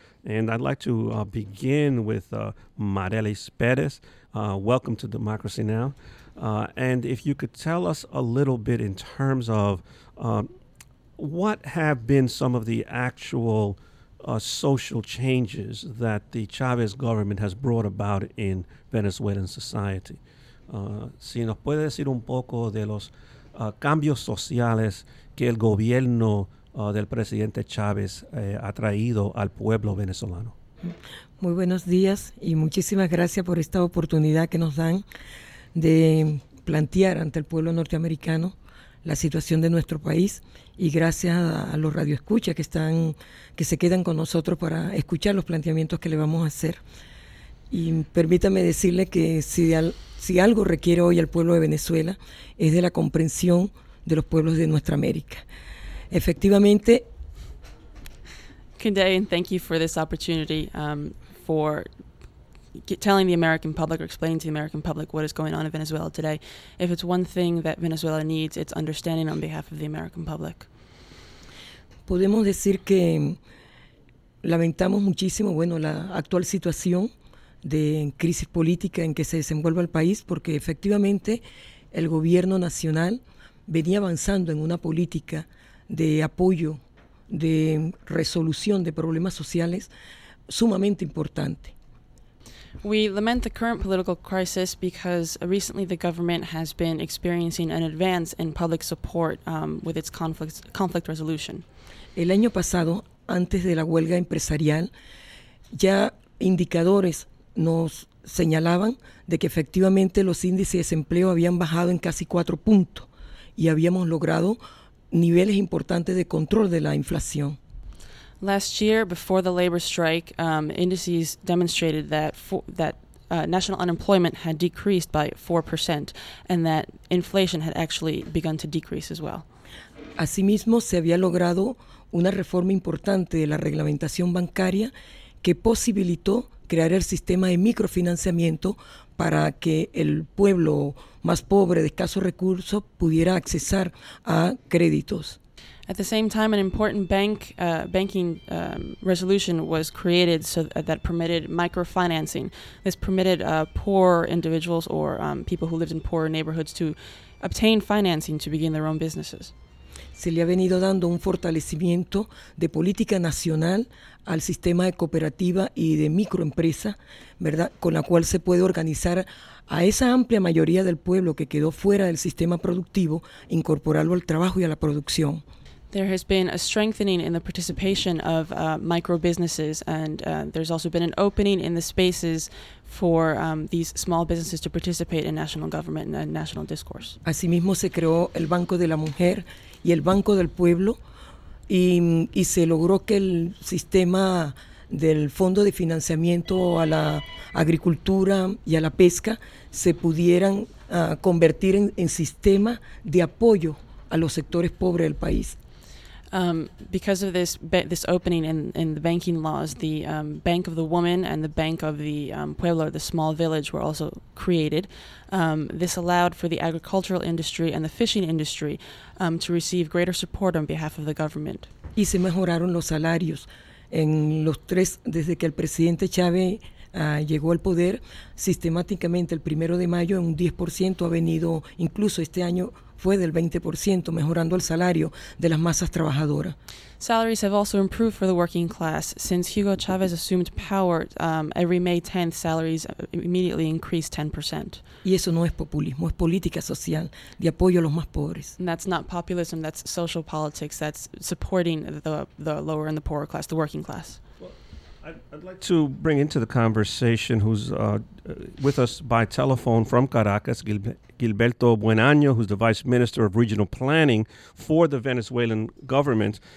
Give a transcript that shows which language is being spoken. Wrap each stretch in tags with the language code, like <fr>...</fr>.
<en>And I'd like to begin with Marelis Perez. Welcome to Democracy Now! And if you could tell us a little bit in terms of what have been some of the actual social changes that the Chavez government has brought about in Venezuelan society.</en> <es>Si nos puede decir un poco de los cambios sociales que el gobierno del presidente Chávez ha traído al pueblo venezolano. Muy buenos días y muchísimas gracias por esta oportunidad que nos dan de plantear ante el pueblo norteamericano la situación de nuestro país, y gracias a los radioescuchas que se quedan con nosotros para escuchar los planteamientos que le vamos a hacer. Y permítame decirle que si algo requiere hoy el pueblo de Venezuela es de la comprensión de los pueblos de nuestra América. Efectivamente.</es> <en>Good day, and thank you for this opportunity for telling the American public or explaining to the American public what is going on in Venezuela today. If it's one thing that Venezuela needs, it's understanding on behalf of the American public.</en> <es>Podemos decir que lamentamos muchísimo, bueno, la actual situación de crisis política en que se desenvuelve el país, porque efectivamente el gobierno nacional venía avanzando en una política de apoyo, de resolución de problemas sociales sumamente importante.</es> <en>We lament the current political crisis because recently the government has been experiencing an advance in public support with its conflict resolution.</en> <es>El año pasado, antes de la huelga empresarial, ya indicadores nos señalaban de que efectivamente los índices de desempleo habían bajado en casi 4 puntos y habíamos logrado niveles importantes de control de la inflación.</es> <en>Last year, before the labor strike, indices demonstrated that national unemployment had decreased by 4% and that inflation had actually begun to decrease as well.</en> <es>Asimismo, se había logrado una reforma importante de la reglamentación bancaria que posibilitó crear el sistema de microfinanciamiento para que el pueblo más pobre de escasos recursos pudiera accesar a créditos.</es> <en>At the same time, an important banking resolution was created so that permitted microfinancing. This permitted poor individuals or people who lived in poorer neighborhoods to obtain financing to begin their own businesses.</en> <es>Se le ha venido dando un fortalecimiento de política nacional al sistema de cooperativa y de microempresa, ¿verdad?, con la cual se puede organizar a esa amplia mayoría del pueblo que quedó fuera del sistema productivo, incorporarlo al trabajo y a la producción.</es> <en>There has been a strengthening in the participation of micro businesses, and there's also been an opening in the spaces for these small businesses to participate in national government and national discourse.</en> <es>Asimismo, se creó el Banco de la Mujer y el Banco del Pueblo, y se logró que el sistema del fondo de financiamiento a la agricultura y a la pesca se pudieran convertir en sistema de apoyo a los sectores pobres del país.</es> <en>Because of this opening in the banking laws, the Bank of the Woman and the Bank of the Pueblo, the small village, were also created. This allowed for the agricultural industry and the fishing industry to receive greater support on behalf of the government.</en> <es>Y se mejoraron los salarios en los tres desde que el presidente Chávez llegó al poder. Sistemáticamente, el primero de mayo, un 10% ha venido, incluso este año fue del 20%, mejorando el salario de las masas trabajadoras.</es> <en>Salaries have also improved for the working class. Since Hugo Chavez assumed power, every May 10th, salaries immediately increased 10%.</en> <es>Y eso no es populismo, es política social de apoyo a los más pobres.</es> <en>And that's not populism, that's social politics, that's supporting the lower and the poorer class, the working class. I'd like to bring into the conversation who's with us by telephone from Caracas, Gilberto Buenaño, who's the Vice Minister of Regional Planning for the Venezuelan government.</en>